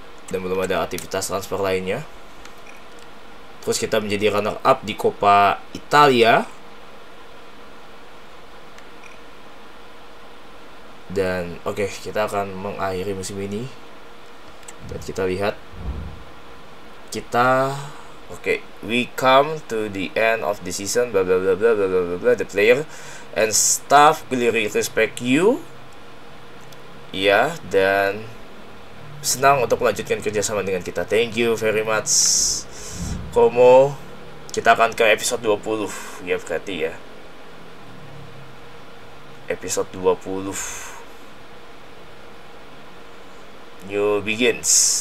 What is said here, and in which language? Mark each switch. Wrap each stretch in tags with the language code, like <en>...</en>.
<id>Dan belum ada aktivitas transfer lainnya. Terus kita menjadi runner up di Coppa Italia. Dan oke, kita akan mengakhiri musim ini. Dan kita lihat kita oke,</id> <en>okay, we come to the end of the season, blah blah blah blah blah blah blah blah, the player and staff really respect you.</en> <id>Ya, yeah, dan senang untuk melanjutkan kerjasama dengan kita.</id> <en>Thank you very much,</en> <id>Como. Kita akan ke episode 20, ya berarti ya.</id> <en>Episode 20. New begins.</en>